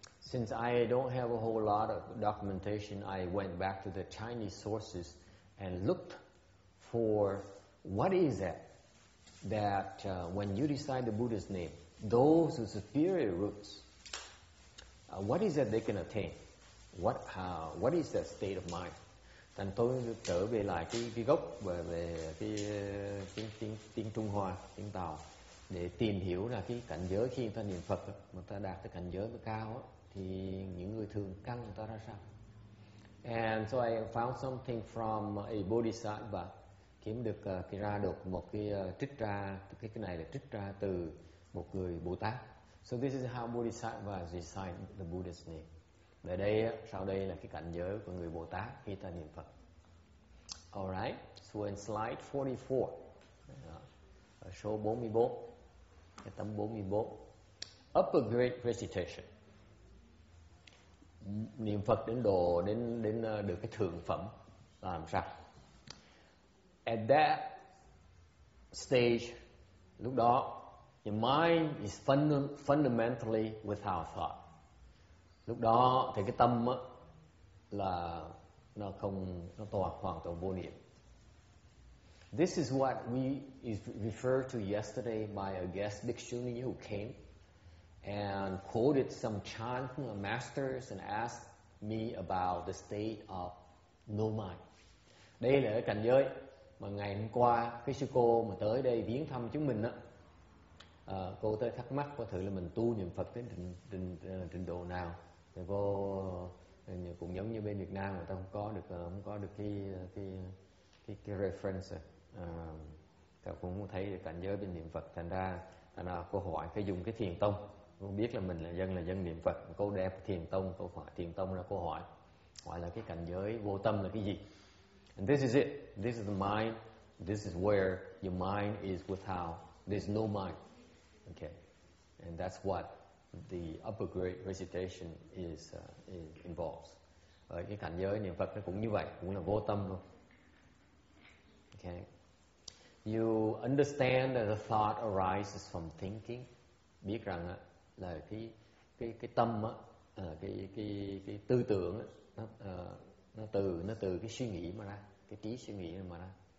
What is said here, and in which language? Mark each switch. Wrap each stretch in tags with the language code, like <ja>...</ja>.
<en>Since I don't have a whole lot of documentation, I went back to the Chinese sources and looked for what is that, that when you decide the Buddha's name, those with superior roots, what is that they can attain? What is that state of mind?</en> <vi>Thần tôi trở về lại cái gốc về về cái tiếng tiếng tiếng Trung Hoa tiếng Tàu để tìm hiểu là cái cảnh giới khi người ta niệm Phật mà ta đạt cái cảnh giới nó cao thì những người thường căn người ta ra sao.</vi> <en>And so I found something from a Bodhisattva,</en> <vi>kiếm được cái ra được một cái trích ra, cái này là trích ra từ một người Bồ Tát.</vi> <en>So this is how Bodhisattva designed the Buddha's name.</en> <vi>Và đây, sau đây là cái cảnh giới của người Bồ Tát khi ta niệm Phật.</vi> <en>Alright, so in slide 44, show 44,</en> <vi>cái tấm 44,</vi> <en>upper grade recitation.</en> <vi>Niệm Phật đến độ, đến được cái thượng phẩm làm sao?</vi> <en>At that stage,</en> <vi>lúc đó,</vi> <en>your mind is fundamentally without thought.</en> <vi>Lúc đó thì cái tâm á là nó không, nó toàn hoàn toàn vô niệm.</vi> <en>This is what we is referred to yesterday by a guest bhikshuni who came and quoted some chant from the masters and asked me about the state of no mind.</en> <vi>Đây là cái cảnh giới mà ngày hôm qua cái sư cô mà tới đây viếng thăm chúng mình á, cô tới thắc mắc có thử là mình tu niệm Phật đến trình độ nào. Thì cô cũng giống như bên Việt Nam, người ta không có được, không có được cái reference, cô cũng thấy cảnh giới bên niệm Phật, thành ra cô hỏi cái dùng cái thiền tông, cô biết là mình là dân niệm Phật, cô đẹp thiền tông, cô hỏi thiền tông là cô hỏi gọi là cái cảnh giới vô tâm là cái gì.</vi> <en>And this is it, this is the mind, this is where your mind is without, there's no mind, okay, and that's what the upper grade recitation is involves.</en> <vi>Ở cái cảnh giới niệm Phật nó cũng như vậy, cũng là vô tâm luôn.</vi> <en>Okay. You understand that the thought arises from thinking.</en> <vi>Biết rằng á là cái tâm á, cái tư tưởng á, nó từ cái suy nghĩ mà ra, cái trí suy nghĩ mà ra.</vi>